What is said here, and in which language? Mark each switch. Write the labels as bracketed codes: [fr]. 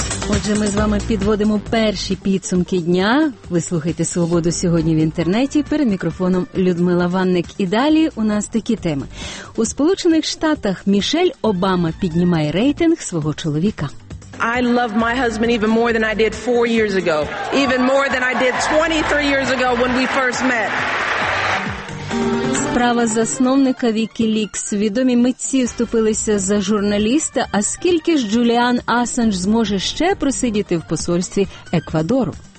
[uk] Отже, ми з вами підводимо перші підсумки дня. Ви слухайте «Свободу сьогодні» в інтернеті. Перед мікрофоном Людмила Ванник. І далі у нас такі теми. У Сполучених Штатах Мішель Обама піднімає рейтинг свого чоловіка. [en] I love my husband even more than I did 4 years ago. Even more than I did 23 years ago when we first met. [uk] Справа засновника Вікілікс. Відомі митці вступилися за журналіста. А скільки ж Джуліан Асанж зможе ще просидіти в посольстві Еквадору?